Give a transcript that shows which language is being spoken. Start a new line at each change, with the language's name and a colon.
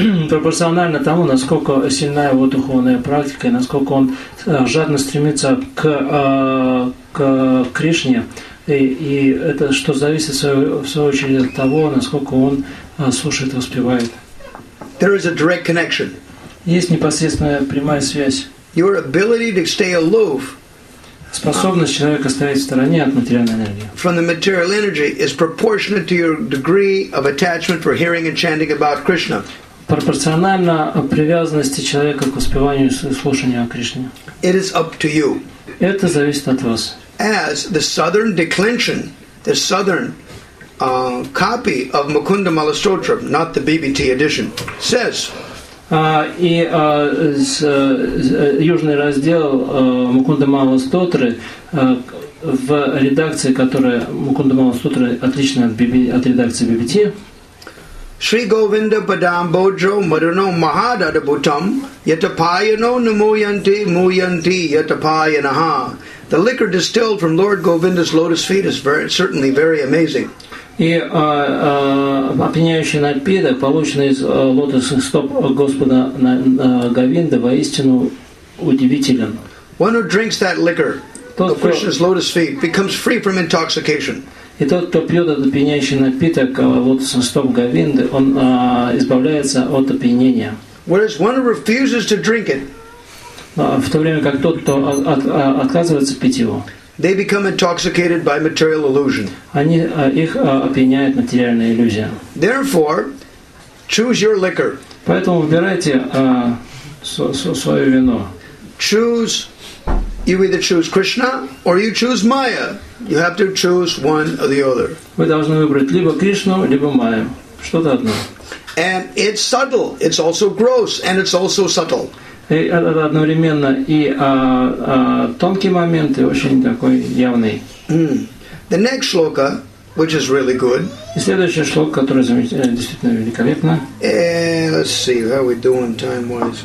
Russian: Пропорционально тому, насколько сильна его духовная практика и насколько он жадно стремится к Кришне, и это что зависит в свою очередь от того, насколько он слушает и воспевает.
English: There is a direct connection.
Russian: Есть непосредственная прямая связь.
English: Your ability to stay aloof,
Russian: способность человека стоять в стороне от материальной энергии.
English: From the material energy is proportionate to your degree of attachment for hearing and chanting about Krishna.
Russian: Пропорционально привязанности человека к воспеванию и слушанию о Кришне.
English: It is up to you.
Russian: Это зависит от вас.
English: As the southern declension, the southern copy of Mukunda Malastotra, not the BBT edition, says.
Russian: И южный раздел Мукунда Маластотры в редакции, которая Мукунда Маластотры отлична от редакции BBT.
Sanskrit: Шри Говинда Падам Боджо Мадуно Махададабутам Ятапайяно Намуянти Муянти Ятапайянаха.
English: The liquor distilled from Lord Govinda's lotus feet is certainly very amazing.
Russian: И опьяняющий напиток, полученный из лотосных стоп Господа Говинды, воистину удивителен.
English: One who drinks that liquor, of Krishna's lotus feet, becomes free from intoxication.
Russian: И тот, кто пьет этот опьяняющий напиток лотосных стоп Говинды, он избавляется от опьянения.
English: Whereas one who refuses to drink it,
Russian: в то время как тот, кто отказывается пить его,
English: they become intoxicated by material illusion.
Russian: Они их опьяняет материальная иллюзия.
English: Therefore, choose your liquor.
Russian: Поэтому выбирайте свое вино.
English: Choose. You either choose Krishna or you choose Maya. You have to choose one or the other.
Russian: Вы должны выбрать либо Кришну, либо Майю. Что-то одно.
English: And it's subtle. It's also gross, and it's also subtle.
Russian: И это одновременно и тонкий момент, и очень такой явный.
English: The next shloka, which is really good.
Russian: И следующая шлока, которая действительно великолепна.
English: Let's see, how are we doing time-wise?